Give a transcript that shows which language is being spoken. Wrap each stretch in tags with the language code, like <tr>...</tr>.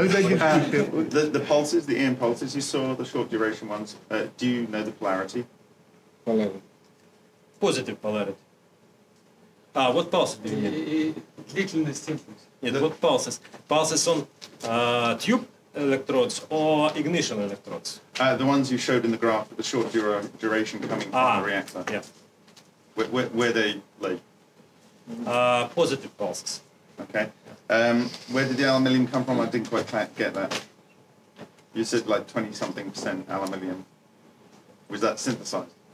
<en>The pulses, the EM pulses, you saw the short duration ones. Do you know the polarity? Polarity. Positive polarity.</en> <ru>А, вот pulses. И длительность импульса. Нет, вот pulses.</ru> <en>Pulses on tube electrodes or ignition electrodes. The ones you showed in the graph, the short duration coming from the reactor. Yeah. Where they lay? Positive pulses. Okay. Where did the aluminium come from? I didn't quite get that. You said like 20-something percent aluminium. Was that synthesized?</en>